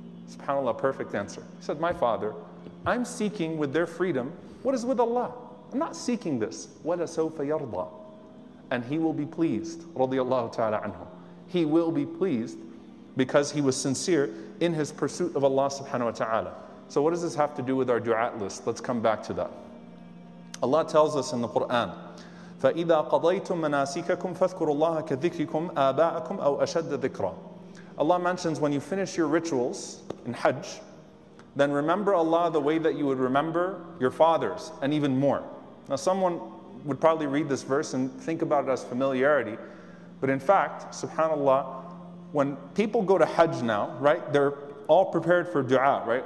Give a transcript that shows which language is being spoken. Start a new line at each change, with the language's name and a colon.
English: SubhanAllah, perfect answer. He said, my father, I'm seeking with their freedom what is with Allah. I'm not seeking this.
Arabic: Wala sawfa yarda.
English: And he will be pleased, radiallahu ta'ala anhu. He will be pleased because he was sincere in his pursuit of Allah subhanahu wa ta'ala. So what does this have to do with our dua list? Let's come back to that. Allah tells us in the Quran,
Arabic: فَإِذَا قَضَيْتُم مَنَاسِكَكُمْ فَاذْكُرُوا اللَّهَ كَذِكْرِكُمْ آبَاءَكُمْ أَوْ أَشَدَّ ذِكْرًا.
English: Allah mentions, when you finish your rituals in Hajj, then remember Allah the way that you would remember your fathers, and even more. Now someone would probably read this verse and think about it as familiarity, but in fact, subhanAllah, when people go to Hajj now, right, they're all prepared for dua, right?